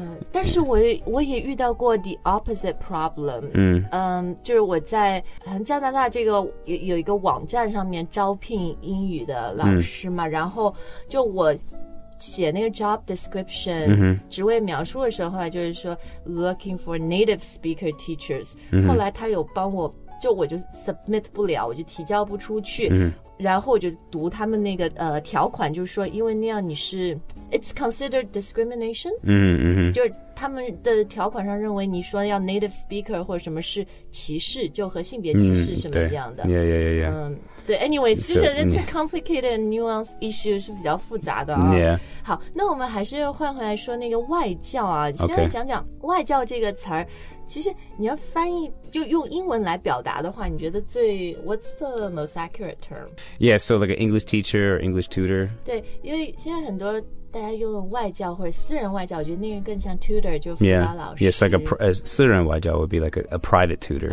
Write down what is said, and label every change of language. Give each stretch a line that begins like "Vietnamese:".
Chinese: 但是我也遇到过
English: the opposite problem、 mm.
Chinese: 就是我在加拿大这个 有一个网站上面招聘英语的老师嘛、mm. 然后就我写那个 job description、 mm-hmm. 职位描述的时候就是说
English: looking for native speaker teachers、 mm-hmm.
Chinese: 后来他有帮我就我就 submit 不了我就提交不出去、 mm-hmm. 然后我就读他们那个、条款就是说因为那样你是
English: it's considered discrimination、 mm-hmm.
Chinese: 就是他们的条款上认为你说要 native speaker 或者什么是歧视就和性别歧视什么一样的、
English: mm-hmm. 对 yeah, yeah, yeah, yeah.、对 anyways so, 就是 it's a complicated nuanced issue
Chinese: 是比较复杂的、
English: 哦 yeah.
Chinese: 好那我们还是换回来说那个外教啊、
English: okay.
Chinese: 先来讲讲外教这个词儿其实你要翻译就用英文来表达的话你觉得最
English: what's the most accurate term yeah so like an English teacher or English tutor
Chinese: 对因为现在很多大家用外教或者私人外教我觉得那个更像 tutor 就辅导老师
English: yeah, yes like a 私人外教 would be like a private tutor